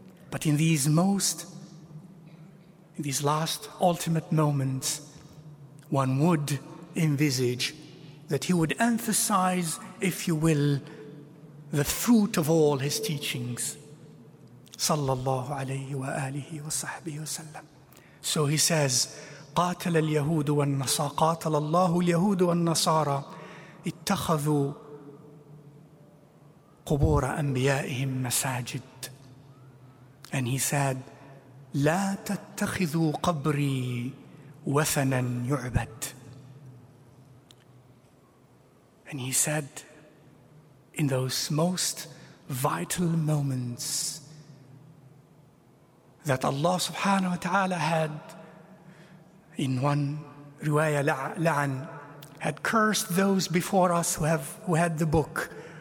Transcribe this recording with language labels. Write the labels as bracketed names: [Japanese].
[English] But in these most, in these last ultimate moments, one would envisage that he would emphasize, if you will, the fruit of all his teachings, sallallahu alayhi wa alihi wa sahbihi wa sallam. So he says, [Arabic] قَاتَلَ الْيَهُودُ وَالنَّصَارَى قَاتَلَ اللَّهُ الْيَهُودُ وَالنَّصَارَى اتَّخَذُوا قُبُورَ أَنْبِيَائِهِمْ مَسَاجِدْ. [English] And he said, [Arabic] لَا تَتَّخِذُوا قَبْرِي وَثَنًا يُعْبَدْ. [English] And he said, in those most vital moments that Allah subhanahu wa ta'ala had, in one riwayah, la'an, had cursed those before us who had the book